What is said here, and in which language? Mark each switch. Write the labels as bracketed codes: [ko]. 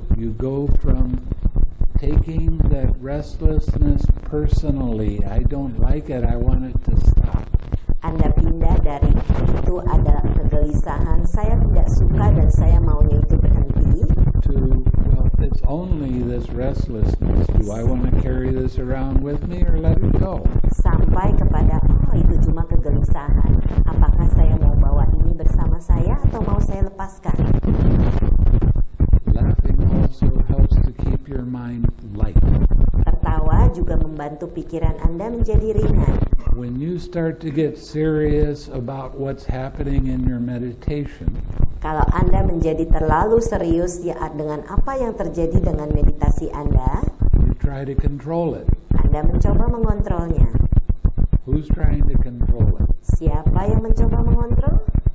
[en] You go from taking that restlessness personally. I don't like it. I want it to stop. [id] Anda pindah dari itu adalah kegelisahan. Saya tidak suka dan saya maunya itu berhenti. [en] To, well, it's only this restlessness. Do I want to carry this around with me or let it go? [id] Sampai kepada itu cuma kegelisahan. Apakah saya mau bawa ini bersama saya atau mau saya lepaskan? [en] Laughing also helps to keep your mind light. [id] Tertawa juga membantu pikiran Anda menjadi ringan. [en] When you start to get serious about what's happening in your meditation. [id] Kalau Anda menjadi terlalu serius ya dengan apa yang terjadi dengan meditasi Anda. [en] You try to control it. [id] Anda mencoba mengontrolnya. [en] Who's trying to control it? [id] Siapa yang mencoba mengontrol?